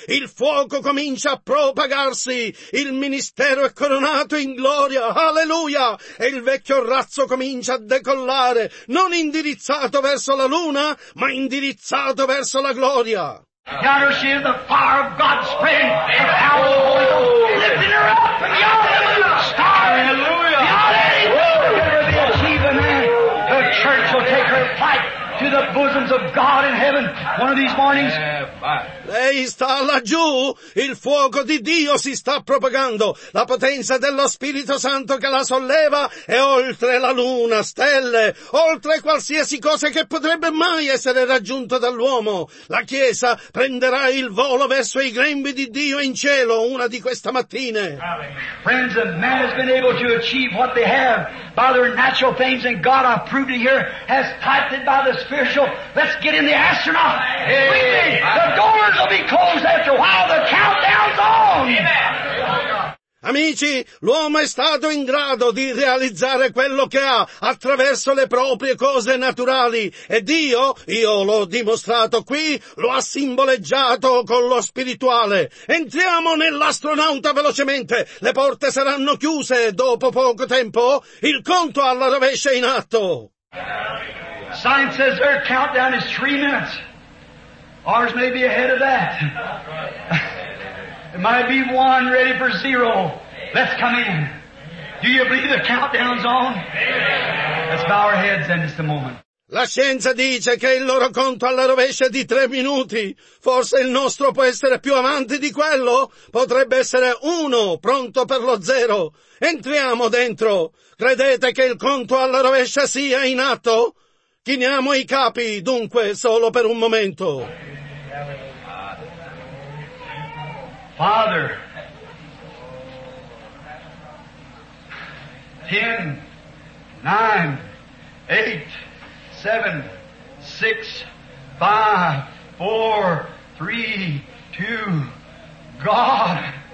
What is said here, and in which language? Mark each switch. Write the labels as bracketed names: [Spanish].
[Italian] Il fuoco comincia a propagarsi. Il ministero è coronato in gloria. Alleluia! E il vecchio razzo comincia a decollare, non indirizzato verso la luna, ma indirizzato verso la gloria. [English] Yonder she is, the fire of God spreading, the power of the Holy Ghost, lifting her up, and beyond the moon, star, beyond any moon, let her be achieved, man. The church will take her flight to the bosoms of God in heaven, one of these mornings. [Italian] Lei sta laggiù, il fuoco di Dio si sta propagando, la potenza dello Spirito Santo che la solleva è oltre la luna, stelle, oltre qualsiasi cosa che potrebbe mai essere raggiunto dall'uomo. La Chiesa prenderà il volo verso i grembi di Dio in cielo una di queste mattine. [English] Friends, a man has been able to achieve what they have by their natural things, and God approved it here, has typed it by the spiritual. Let's get in the astronaut. The door will be closed after a while. The countdown's on. [Italian] Amici, l'uomo è stato in grado di realizzare quello che ha attraverso le proprie cose naturali e Dio, io l'ho dimostrato qui, lo ha simboleggiato con lo spirituale. Entriamo nell'astronauta velocemente, le porte saranno chiuse dopo poco tempo, il conto alla rovescia è in atto. [English] Science says our countdown is 3 minutes. Ours may be ahead of that. It might be 1 ready for 0. Let's come in. Do you believe the countdown's on? Let's bow our heads in just a moment. [Italian] La scienza dice che il loro conto alla rovescia è di 3 minuti. Forse il nostro può essere più avanti di quello. Potrebbe essere 1, pronto per lo 0. Entriamo dentro. Credete che il conto alla rovescia sia in atto? Chiniamo i capi, dunque, solo per un momento. [English] Father, 10, 9, 8, 7, 6, 5, 4, 3, 2, God,